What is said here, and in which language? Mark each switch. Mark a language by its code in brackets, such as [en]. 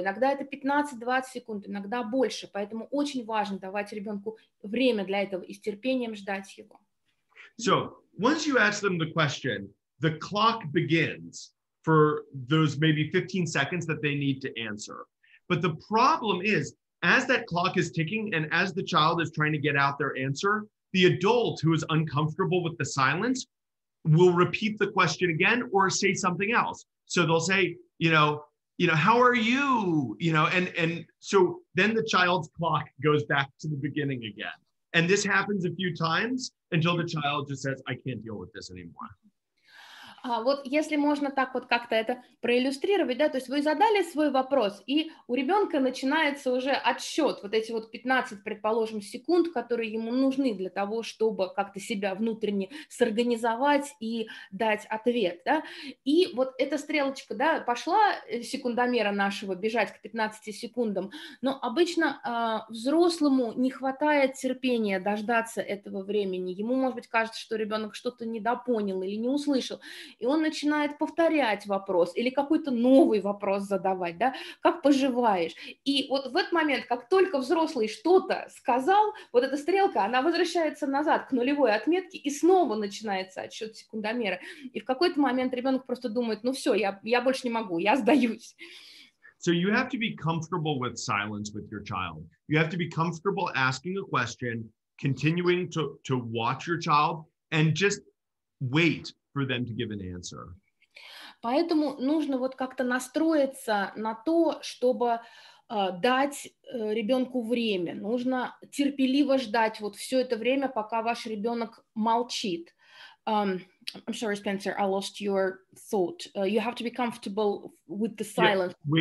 [ru] Иногда это 15-20 секунд, иногда больше, поэтому очень важно давать ребенку время для этого и с терпением ждать его. [en] So, once you ask them the question, the clock begins for those maybe 15 seconds that they need to answer. But the problem is, as that clock is ticking and as the child is trying to get out their answer, the adult who is uncomfortable with the silence will repeat the question again or say something else. So they'll say, you know, how are you? You know, and so then the child's clock goes back to the beginning again. And this happens a few times until the child just says, I can't deal with this anymore. [ru] Вот если можно так вот как-то это проиллюстрировать, да, то есть вы задали свой вопрос, и у ребенка начинается уже отсчет, вот эти вот 15, предположим, секунд, которые ему нужны для того, чтобы как-то себя внутренне сорганизовать и дать ответ, да, и вот эта стрелочка, да, пошла секундомера нашего бежать к 15 секундам, но обычно взрослому не хватает терпения дождаться этого времени, ему, может быть, кажется, что ребенок что-то недопонял или не услышал, и он начинает повторять вопрос или какой-то новый вопрос задавать, да, как поживаешь. И вот в этот момент, как только взрослый что-то сказал, вот эта стрелка, она возвращается назад к нулевой отметке и снова начинается отсчет секундомера. И в какой-то момент ребенок просто думает, ну все, я больше не могу, я сдаюсь. [en] So you have to be comfortable with silence with your child. You have to be comfortable asking a question, continuing to watch your child and just wait for them to give an answer. [ru] Поэтому нужно вот как-то настроиться на то, чтобы дать ребенку время. Нужно терпеливо ждать вот все это время, пока ваш ребенок молчит. [en] I'm sorry, Spencer, I lost your thought. You have to be comfortable with the silence.